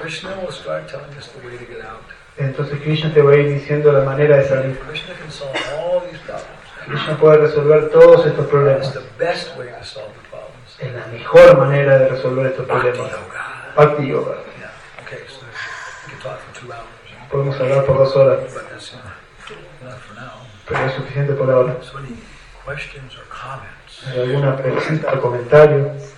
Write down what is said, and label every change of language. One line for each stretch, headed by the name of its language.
English: Krishna will start telling us the way to get out.
Spanish: Entonces Krishna te va a ir diciendo la manera de salir.
English: Krishna can solve all these problems.
Spanish: Krishna puede resolver todos estos problemas.
English: The best way to solve the problems.
Spanish: Es la mejor manera de resolver estos problemas.
English: Bhakti Yoga.
Spanish: Bhakti Yoga.
English: Yeah. Okay, so we can talk for 2 hours.
Spanish: Podemos hablar por 2 horas.
English: But that's enough for now.
Spanish: Pero es suficiente por ahora.
English: So any questions or comments?
Spanish: ¿Alguna pregunta o comentario?